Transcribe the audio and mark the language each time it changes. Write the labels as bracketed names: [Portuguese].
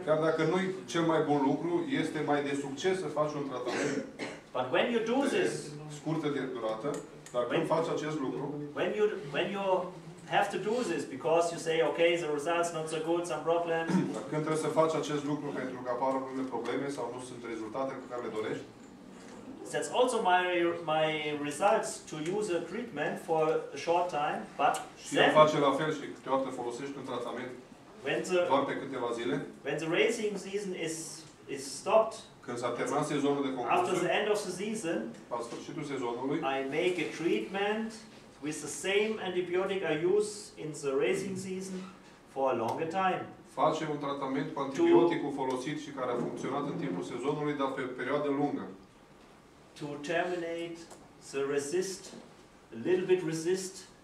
[Romanian] Chiar dacă nu e cel mai bun lucru, este mai de succes să faci un tratament. [English] But when you do this, [Romanian] scurtă de durată, dar când faci acest lucru, [English] when you have to do this because you say, okay, the results not so good, some problems. [Romanian] Când trebuie să faci acest lucru pentru că apar unele probleme sau nu sunt rezultatele pe care le dorești. [English] That's also my results to use a treatment for a short time, but [Romanian] și eu face la fel și câteodată folosești un tratament doar pe câteva zile. [English] When the racing season is stopped, [Romanian] când s-a terminat sezonul de concursuri, [English] after the end of the season, [Romanian] la sfârșitul sezonului, [English] I make a treatment with the same antibiotic I use in the racing season for a longer time. [Romanian] Face un tratament cu antibioticul folosit și care a funcționat în timpul sezonului, dar pe o perioadă lungă. [English] To terminate the resist, a little bit resist.